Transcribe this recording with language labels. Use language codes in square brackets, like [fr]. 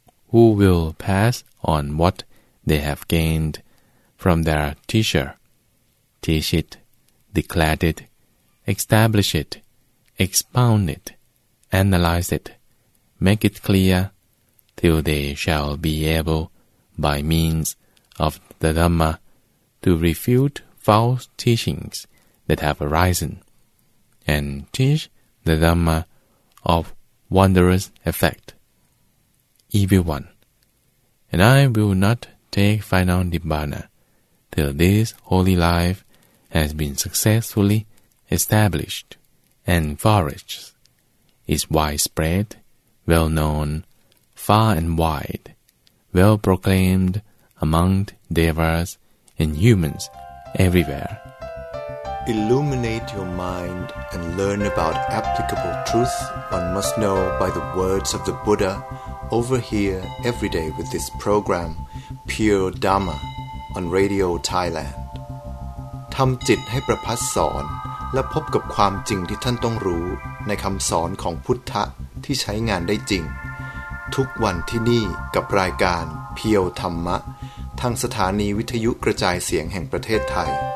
[en] who will pass on what they have gained from their teacher, teach it, declare it, establish it, expound it, analyze it, make it clear, till they shall be able, by means of the Dhamma, to refute false teachings that have arisen, and teach the Dhamma of wondrous effect. Evil one, and I will not take final Nibbana till this holy life has been successfully established and flourished, is widespread, well-known, far and wide, well-proclaimed among devas and humans everywhere. Illuminate your mind and learn about applicable truth one must know by the words of the Buddha over here every day with this program, Pure Dhamma, on Radio Thailand. [th] ทำจิตให้ประพัสสอนและพบกับความจริงที่ท่านต้องรู้ในคำสอนของพุทธะที่ใช้งานได้จริงทุกวันที่นี่กับรายการเพียวธรรมะทางสถานีวิทยุกระจายเสียงแห่งประเทศไทย